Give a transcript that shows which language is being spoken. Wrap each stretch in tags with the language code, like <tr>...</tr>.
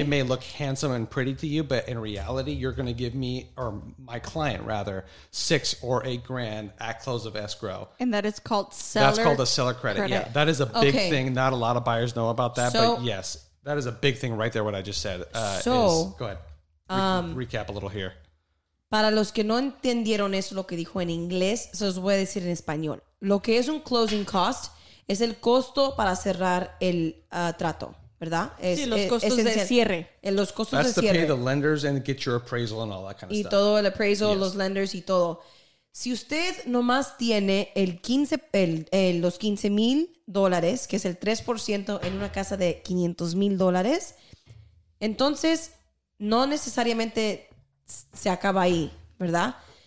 <en>It may look handsome and pretty to you, but in reality, you're going to give me, or my client rather, $6,000 or $8,000 at close of escrow. And that is called seller. That's called a seller credit. Yeah, that is a big thing. Not a lot of buyers know about that, but yes, that is a big thing right there. What I just said. Go ahead. Recap a little here.</en> <es>Para los que no entendieron eso, lo que dijo en inglés, se los voy a decir en español. Lo que es un closing cost es el costo para cerrar el trato, ¿verdad? Los costos de cierre. Los costos de cierre.</es> <en>That's to pay the lenders and get your appraisal and all that kind of stuff.</en> <es>Y todo el appraisal, los lenders y todo. Si usted nomás tiene los 15 mil dólares, que es el 3% en una casa de 500 mil dólares, entonces no necesariamente se acaba ahí, ¿verdad?</es>